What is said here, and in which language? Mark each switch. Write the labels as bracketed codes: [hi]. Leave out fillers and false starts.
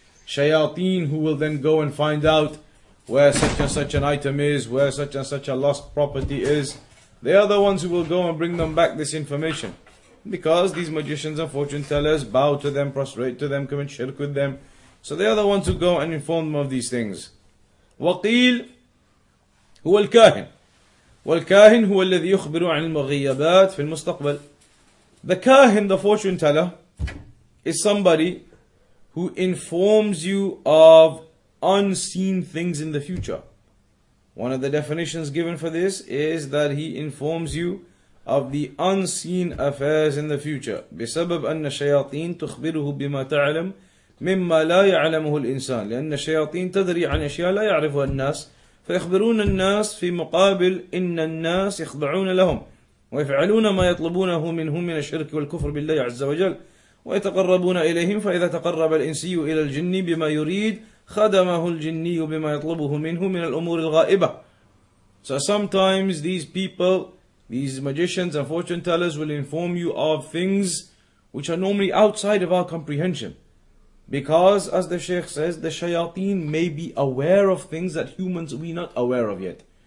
[en] Shayateen who will then go and find out where such and such an item is, where such and such a lost property is. They are the ones who will go and bring them back this information. Because these magicians and fortune tellers bow to them, prostrate to them, commit shirk with them. So they are the ones who go and inform them of these things. [ar] وَقِيل هُوَ الْكَاهِنُ وَالْكَاهِنُ هُوَ الَّذِي يُخْبِرُ عَنِ الْمُغِيَّبَاتِ فِي الْمُسْتَقْبَلِ. [en] The kahin, the fortune teller, is somebody who informs you of unseen things in the future. One of the definitions given for this is that he informs you of the unseen affairs in the future. [ar] بسبب أن الشياطين تخبره بما تعلم مما لا يعلمه الإنسان لأن الشياطين تدري عن أشياء لا يعرفها الناس فيخبرون الناس في مقابل إن الناس يخضعون لهم ويفعلون ما يطلبونه منهم من الشرك والكفر بالله عز وجل ويتقربون إليهم فإذا تقرب الإنسي إلى الجن بما يريد خدمه الجني بما يطلبه منه من الأمور الغائبة. [en] So sometimes these people, these magicians and fortune tellers, will inform you of things which are normally outside of our comprehension. Because, as the Shaykh says, the shayateen may be aware of things that humans we not aware of yet.